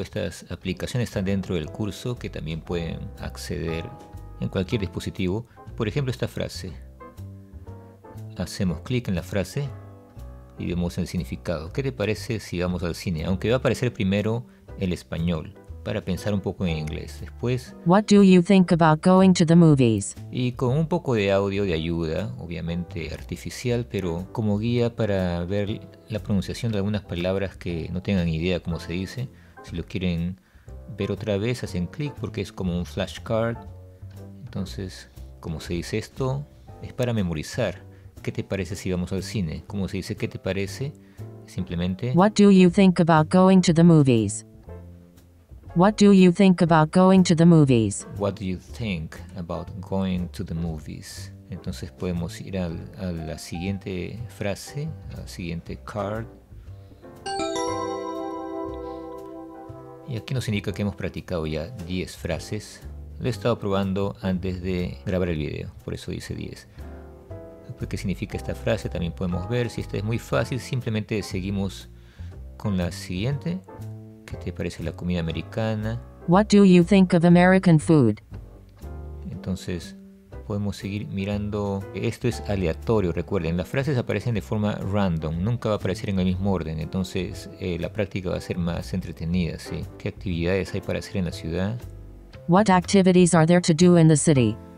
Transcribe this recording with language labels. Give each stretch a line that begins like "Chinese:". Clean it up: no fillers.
Spanish: Estas aplicaciones están dentro del curso que también pueden acceder en cualquier dispositivo. Por ejemplo, esta frase. Hacemos clic en la frase y vemos el significado. ¿Qué te parece si vamos al cine? Aunque va a aparecer primero el español para pensar un poco en inglés. Después,
English: What do you think about going to the movies?
Spanish: y con un poco de audio de ayuda, obviamente artificial, pero como guía para ver la pronunciación de algunas palabras que no tengan idea cómo se dice. Si lo quieren ver otra vez, hacen clic porque es como un flashcard. Entonces, ¿cómo se dice esto? Es para memorizar. ¿Qué te parece si vamos al cine? ¿Cómo se dice qué te parece? Simplemente.
English: What do you think about going to the movies? What do you think about going to the movies? What do you think about going to the movies?
Spanish: Entonces podemos ir a la siguiente frase, al siguiente card. Y aquí nos indica que hemos practicado ya 10 frases. Lo he estado probando antes de grabar el video, por eso dice 10. ¿Qué significa esta frase? También podemos ver. Si esta es muy fácil, simplemente seguimos con la siguiente. ¿Qué te parece la comida americana?
English: What do you think of American food?
Spanish: Entonces podemos seguir mirando. Esto es aleatorio, recuerden. Las frases aparecen de forma random. Nunca va a aparecer en el mismo orden. Entonces la práctica va a ser más entretenida, ¿sí? ¿Qué actividades hay para hacer en la ciudad?
English: What activities are there to do in the city?